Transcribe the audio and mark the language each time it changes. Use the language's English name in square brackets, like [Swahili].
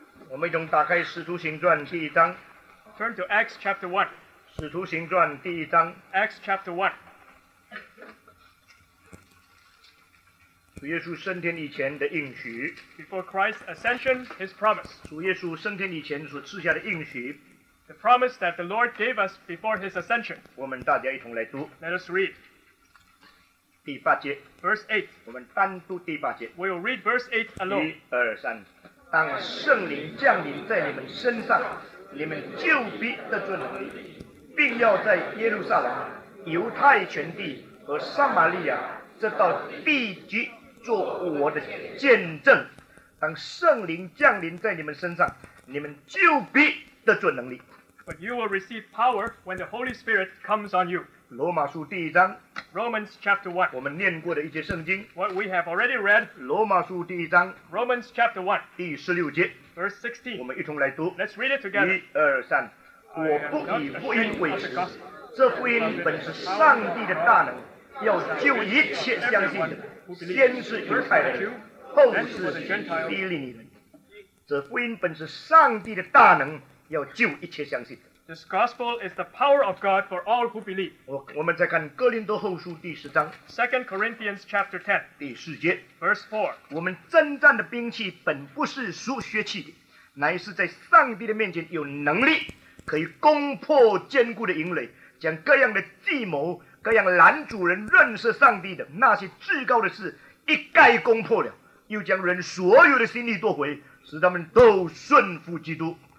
[Chinese] 我们一同打开《使徒行传》第一章。 [English] Turn to Acts chapter 1. [Chinese] 使徒行传第一章。 [English] Acts chapter 1. [Chinese] 主耶稣升天以前的应许。 [English] Before Christ's ascension, his promise. [Chinese] 主耶稣升天以前所赐下的应许。 [English] The promise that the Lord gave us before his ascension. [Chinese] 我们大家一同来读。 [English] Let us read. [Chinese] 第八节 [English] verse 8, [Chinese] 我们单读第八节。 [English] We will read verse 8 alone. [Chinese] 一二三，当圣灵降临在你们身上，你们就必得着能力，并要在耶路撒冷、犹太全地和撒玛利亚，这到地极做我的见证。当圣灵降临在你们身上，你们就必得着能力。 [English] But you will receive power when the Holy Spirit comes on you. [Chinese] 罗马书第一章 [English] Romans chapter 1 [Chinese] 我们念过的一些圣经 [English] What we have already read [Chinese] 罗马书第一章 [English] Romans chapter 1 [Chinese] 第十六节 [English] Verse 16 [Chinese] 我们一同来读 [English] Let's read it together [Chinese] 一二三我不以福音为耻这福音本是上帝的大能要救一切相信的先是犹太人后是希利尼人这福音本是上帝的大能要救一切相信的 [English] This gospel is the power of God for all who believe. [Chinese] 我们再看哥林多后书第十章 [English] Second Corinthians chapter 10. [Chinese] 第四节 [English] Verse 4. [Chinese] 我们征战的兵器本不是属血气的，乃是在上帝的面前有能力，可以攻破坚固的营垒，将各样的计谋、各样拦阻人认识上帝的那些至高的事一概攻破了，又将人所有的心力夺回，使他们都顺服基督。